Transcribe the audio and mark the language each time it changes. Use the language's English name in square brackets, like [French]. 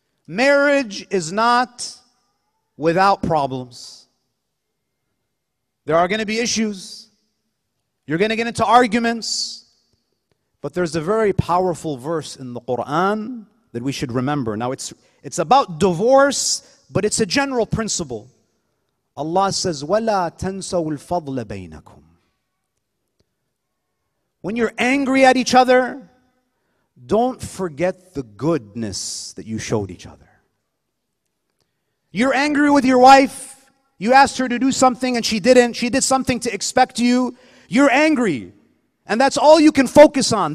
[English] Marriage is not without problems. There are going to be issues. You're going to get into arguments. But there's a very powerful verse in the Quran that we should remember. Now, it's about divorce, but it's a general principle. Allah says, [Arabic] وَلَا تَنْسَوُ الْفَضْلَ بَيْنَكُمْ. [English] When you're angry at each other, don't forget the goodness that you showed each other. You're angry with your wife. You asked her to do something and she didn't. She did something to expect you. You're angry. And that's all you can focus on.